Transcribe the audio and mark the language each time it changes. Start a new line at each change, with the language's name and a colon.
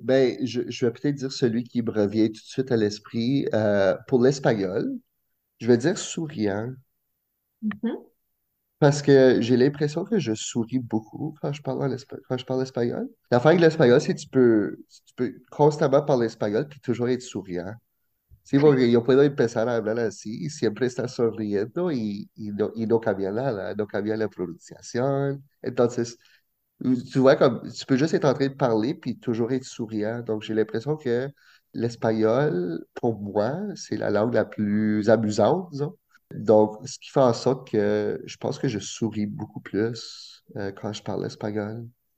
French: Ben, je vais peut-être dire celui qui me revient tout de suite à l'esprit. Pour l'espagnol, je vais dire souriant. Parce que j'ai l'impression que je souris beaucoup quand je parle espagnol. L'affaire avec l'espagnol, c'est que tu peux constamment parler espagnol puis toujours être souriant. Si vous voyez,
Spanish: yo puedo empezar a hablar así, siempre está sonriendo y no cambia nada, no cambia la pronunciación.
French: Entonces, tu vois, comme tu peux juste être en train de parler puis toujours être souriant. Donc, j'ai l'impression que l'espagnol, pour moi, c'est la langue la plus amusante, disons. Donc, ce qui fait en sorte que je pense que je souris beaucoup plus quand je parle espagnol.